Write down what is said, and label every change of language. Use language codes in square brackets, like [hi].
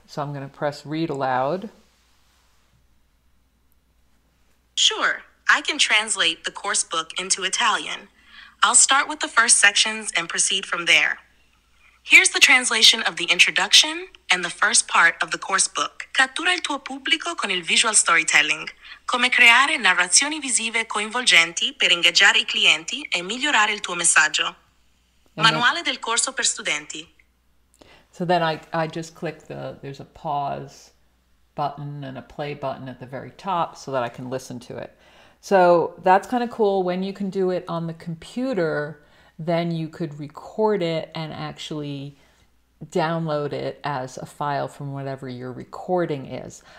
[en] So I'm going to press read aloud. Sure. I can translate the course book into Italian. I'll start with the first sections and proceed from there. Here's the translation of the introduction and the first part of the course book. [it] Cattura il tuo pubblico con il visual storytelling. Come creare narrazioni visive coinvolgenti per ingaggiare i clienti e migliorare il tuo messaggio. Manuale del corso per studenti. [en] So then I just click the, there's a pause button and a play button at the very top so that I can listen to it. So that's kind of cool. When you can do it on the computer, then you could record it and actually download it as a file from whatever your recording is.